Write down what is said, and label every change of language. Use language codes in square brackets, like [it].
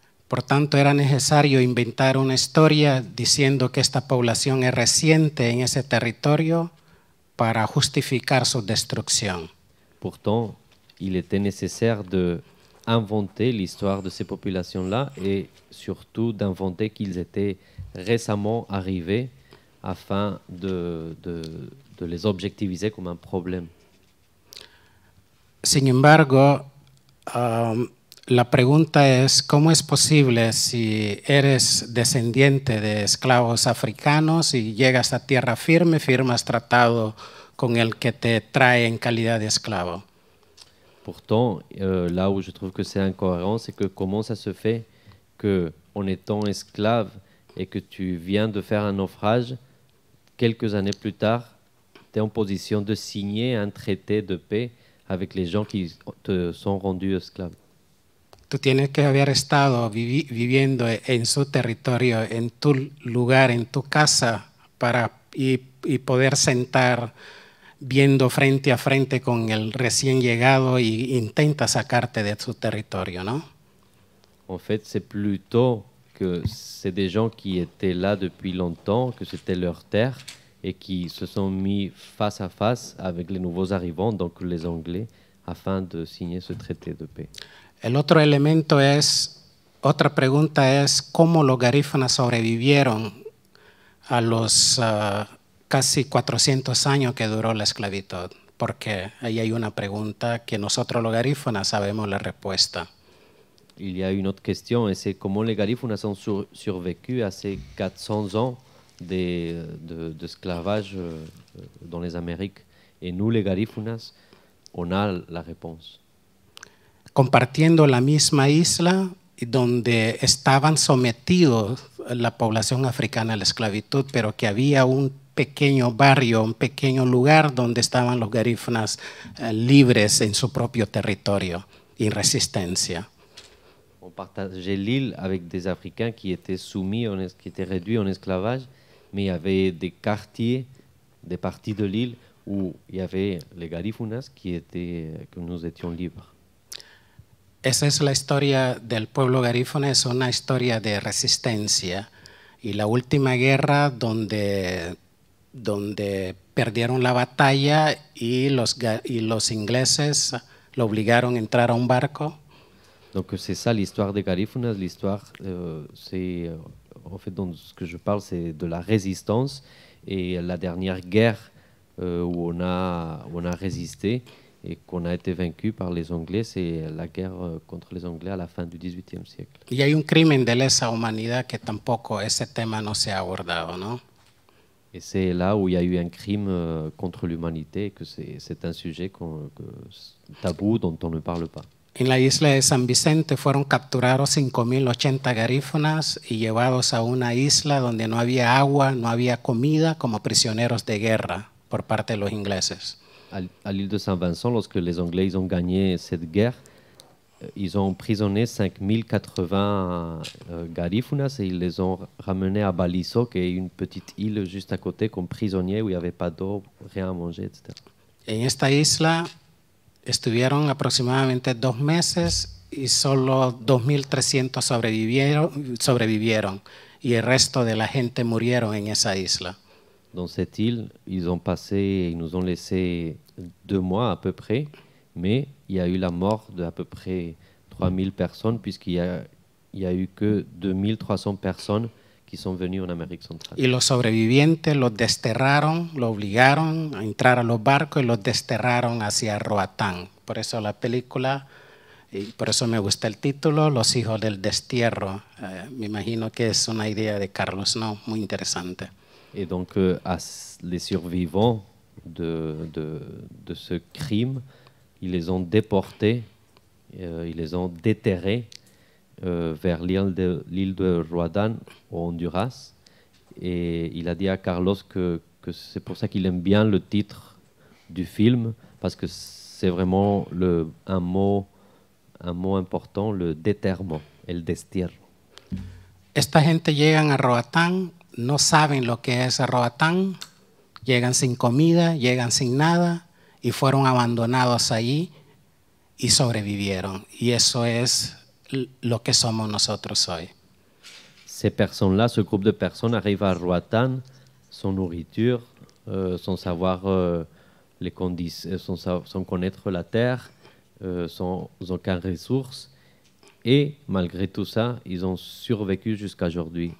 [es] Por tanto, era necesario inventar una historia diciendo que esta población es reciente en ese territorio para justificar su destrucción. [fr] Pourtant, il était nécessaire d'inventer l'histoire de ces populations-là et surtout d'inventer qu'ils étaient récemment arrivés afin de les objectiviser comme un problème. [es] Sin embargo, la pregunta es, ¿cómo es posible si eres descendiente de esclavos africanos y llegas a tierra firme, firmas tratado con el que te trae en calidad de esclavo? [fr] Pourtant, là où je trouve que c'est incohérent, c'est que comment ça se fait qu'en étant esclave et que tu viens de faire un naufrage, quelques années plus tard, tu es en position de signer un traité de paix avec les gens qui te sont rendus esclaves. [es] Tu tienes que haber estado viviendo en su territorio, en tu lugar, en tu casa, para y poder sentar viendo frente a frente con el recién llegado y intenta sacarte de su territorio, ¿no? [fr] En fait, c'est plutôt que c'est des gens qui étaient là depuis longtemps, que c'était leur terre, et qui se sont mis face à face avec les nouveaux arrivants, donc les Anglais, afin de signer ce traité de paix. [es] El otro elemento es, otra pregunta es, ¿cómo los garífunas sobrevivieron a los casi 400 años que duró la esclavitud? Porque ahí hay una pregunta que nosotros los garífunas sabemos la respuesta. [fr] Il y a une autre question, et c'est comment les garífunas ont survécu à ces 400 ans d'esclavage dans les Amériques. Et nous, les garífunas, on a la réponse. [es] Compartiendo la misma isla donde estaban sometidos la población africana a la esclavitud, pero que había un pequeño barrio, un pequeño lugar donde estaban los garífunas libres en su propio territorio, en resistencia. [fr] On partageait l'île avec des Africains qui étaient soumis, qui étaient réduits en esclavage, mais il y avait des quartiers, des parties de l'île où il y avait les garífunas qui étaient, que nous étions libres. [es] Esa es la historia del pueblo garífuna, es una historia de resistencia. Y la última guerra donde perdieron la batalla y los ingleses lo obligaron a entrar a un barco. [fr] Donc c'est ça l'histoire des garífunas, l'histoire, c'est, en fait, donc, ce que je parle, c'est de la résistance et la dernière guerre où on a résisté et qu'on a été vaincu par les Anglais, c'est la guerre contre les Anglais à la fin du XVIIIe siècle. Il y a un [es] crime de lesa humanidad que tampoco ese tema no se ha abordado, ¿no? [fr] Et c'est là où il y a eu un crime contre l'humanité, que c'est un sujet tabou dont on ne parle pas. [es] En la isla de San Vicente fueron capturados 5.080 garífunas y llevados a una isla donde no había agua, no había comida, como prisioneros de guerra por parte de los ingleses. [fr] À l'île de Saint-Vincent, lorsque les Anglais ont gagné cette guerre, ils ont emprisonné 5080 garífunas et ils les ont ramenés à Baliso, qui est une petite île juste à côté, comme prisonniers où il n'y avait pas d'eau, rien à manger, etc. [es] En esta isla estuvieron aproximadamente dos meses y solo 2.300 sobrevivieron y el resto de la gente murieron en esa isla. [fr] Dans cette île, ils ont passé, ils nous ont laissé deux mois à peu près, mais il y a eu la mort de à peu près 3000 personnes, puisqu'il n'y a eu que 2300 personnes qui sont venues en Amérique centrale. [es] Et les sobrevivientes les desterraron, les obligaron [fr] à entrer dans les [es] barcos et les desterraron hacia Roatán. Por eso la película, y por eso me gusta el título, Los Hijos del Destierro. Me imagino que es una idea de Carlos, ¿no? Muy interesante. [fr] Et donc, les survivants de ce crime, ils les ont déportés, ils les ont déterrés vers l'île de Roatán, au Honduras. Et il a dit à Carlos que c'est pour ça qu'il aime bien le titre du film, parce que c'est vraiment un mot important, le déterrement, [es] el destierro. Esta gente llega a Roatán. No saben lo que es Roatán, llegan sin comida, llegan sin nada y fueron abandonados allí y sobrevivieron. Y eso es lo que somos nosotros hoy. [fr] Ces personnes-là, ce groupe de personnes arrive à Roatán, sans nourriture, sans savoir les conditions, sans connaître la terre, sans aucune ressource. Et malgré tout ça, ils ont survécu jusqu'à aujourd'hui.